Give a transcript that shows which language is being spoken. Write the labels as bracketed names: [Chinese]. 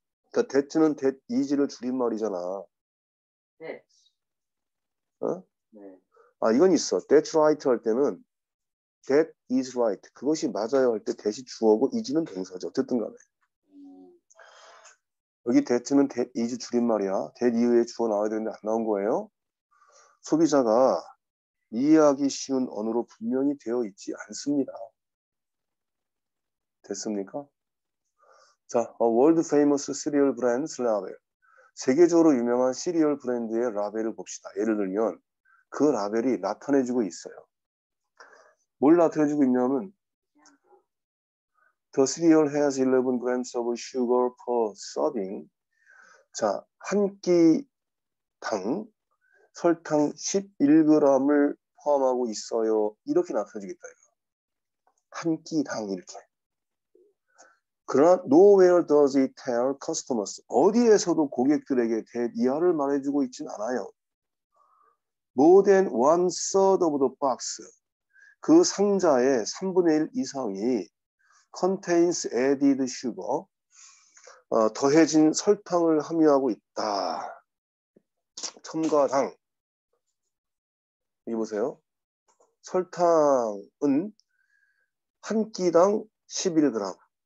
[Korean] 그러니까 that는 that, 이지를 줄임말이잖아. [English] That. [Korean] 어? 네. 아, 이건 있어. [English] That's right [Korean] 할 때는 [English] that is right. [Korean] 그것이 맞아요 할 때 that이 주어고 이지는 동사죠. 어쨌든 간에. 여기 that는 that is 줄임말이야. that 이후에 주어 나와야 되는데 안 나온 거예요. 소비자가 이해하기 쉬운 언어로 분명히 되어 있지 않습니다. 됐습니까? 자, [English] a world famous cereal brand's label. [Korean] 세계적으로 유명한 시리얼 브랜드의 라벨을 봅시다. 예를 들면 그 라벨이 나타내주고 있어요. 뭘 나타내주고 있냐면 [English] The cereal has 11 grams of sugar per serving. [Korean] 자, 한 끼당 설탕 11g을 포함하고 있어요. 이렇게 나타내주겠다. 한 끼당 이렇게. 그러나 [English] nowhere does it tell customers. [Korean] 어디에서도 고객들에게 대디아를 말해주고 있진 않아요. [English] More than one third of the box. [Korean] 그 상자의 3분의 1 이상이 [English] contains added sugar, [Korean] 더해진 설탕을 함유하고 있다. 첨가당. 여기 보세요. 설탕은 한 끼당 11g.